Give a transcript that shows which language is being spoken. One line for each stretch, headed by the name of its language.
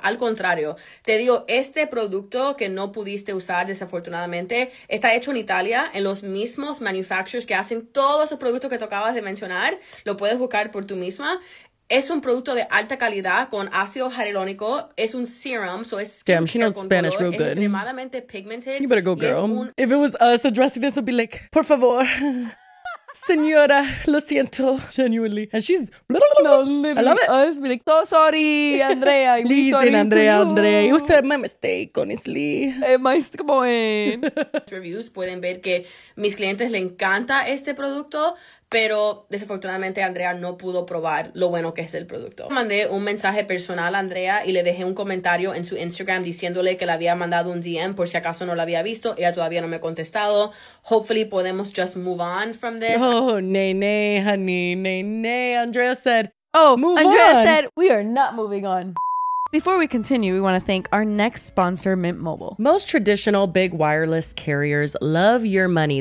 Spanish: Al contrario, te digo, este producto que no pudiste usar desafortunadamente está hecho en Italia, en los mismos manufacturers que hacen todos esos productos que tocabas de mencionar. Lo puedes buscar por tú misma. Es un producto de alta calidad con ácido hialurónico. Es un serum, so es skincare.
English: Damn, she knows Spanish real good.
Spanish: Es extremadamente pigmented.
English: You better go, girl. If it was us addressing this, we'd be like,
Spanish: por favor, señora, lo siento,
English: genuinely. And she's, no, I love it. Us, be like, oh, sorry, Andrea. Listen, Andrea, Andrea. You said my mistake, honestly. My point.
Spanish: Reviews pueden ver que mis clientes le encanta este producto. Pero desafortunadamente Andrea no pudo probar lo bueno que es el producto. Mandé un mensaje personal a Andrea y le dejé un comentario en su Instagram diciéndole que le había mandado un DM por si acaso no lo había visto. Ella todavía no me ha contestado.
English: Hopefully
Spanish: podemos
English: just move on from this. Oh, nene, honey, nene. Andrea said, oh, move Andrea on. Andrea said, we are not moving on. Before we continue, we want to thank our next sponsor, Mint Mobile. Most traditional big wireless carriers love your money.